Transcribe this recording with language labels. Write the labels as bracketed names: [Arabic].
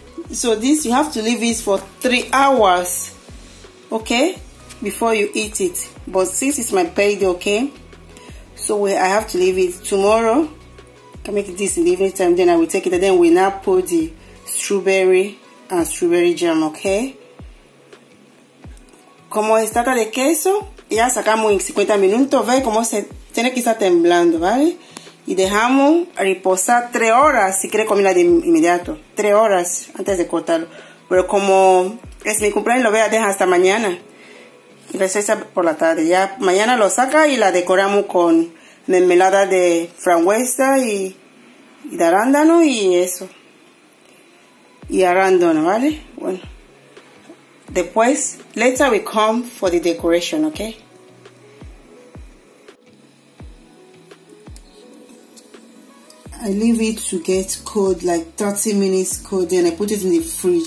[English] So this, you have to leave it for 3 hours, okay? Before you eat it. But since it's my birthday, okay? So I have to leave it tomorrow. I make this in the evening time, then I will take it, and then we now put the strawberry and strawberry jam, okay? [Spanish] Como está de queso, ya sacamos en 50 minutos, ve como se tiene que estar temblando, ¿vale? Y dejamos reposar 3 horas, si quiere comerla de inmediato, 3 horas antes de cortarlo. Pero como es mi cumpleaños, lo voy a dejar hasta mañana, receta por la tarde. Ya mañana lo saca y la decoramos con mermelada de frambuesa y de arándano y eso. Y arándano, ¿vale? Bueno. Después, [English] later we come for the decoration, okay? I leave it to get cold, like 30 minutes cold, then I put it in the fridge.